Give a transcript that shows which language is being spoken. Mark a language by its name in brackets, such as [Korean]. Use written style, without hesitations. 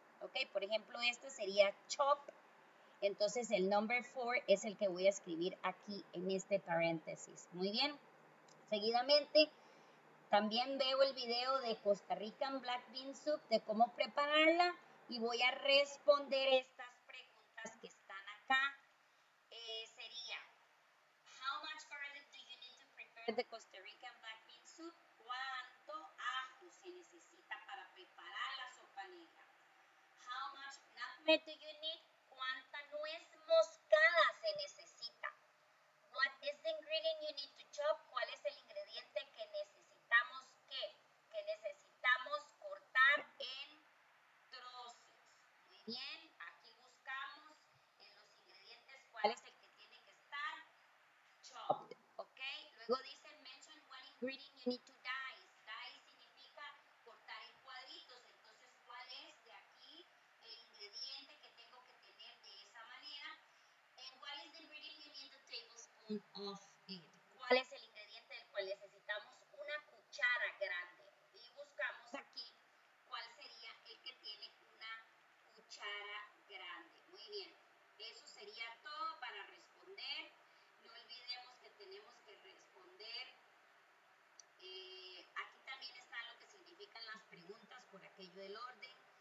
[Spanish] Ok, por ejemplo, este sería chop. Entonces, el number 4 es el que voy a escribir aquí en este paréntesis. Muy bien. Seguidamente, también veo el video de Costa Rican Black Bean Soup, de cómo prepararla, y voy a responder estas preguntas que están acá. Sería, [English] how much garlic do you need to prepare the Costa Rican Black Bean Soup? [Spanish] ¿Cuánto ajo se necesita para preparar la sopa negra? [English] How much nutmeg do you need? [Spanish] ¿Cuánta nuez moscada se necesita? [English] What is the ingredient you need to chop? [Spanish] ¿Cuál es el ingrediente que necesitamos que necesitamos cortar en trozos? Muy bien, aquí buscamos en los ingredientes cuál es el que tiene que estar chopped. Ok, luego dice [English] mention what ingredient you need to dice. [Spanish] Dice significa cortar en cuadritos. Entonces, ¿cuál es de aquí el ingrediente que tengo que tener de esa manera? [English] And what is the ingredient you need a tablespoon of it? [Spanish] ¿Cuál es el ingrediente del cual necesitamos una cuchara grande? Y buscamos aquí cuál sería el que tiene una cuchara grande. Muy bien, eso sería todo para responder. No olvidemos que tenemos que responder. Aquí también está lo que significan las preguntas por aquello del orden.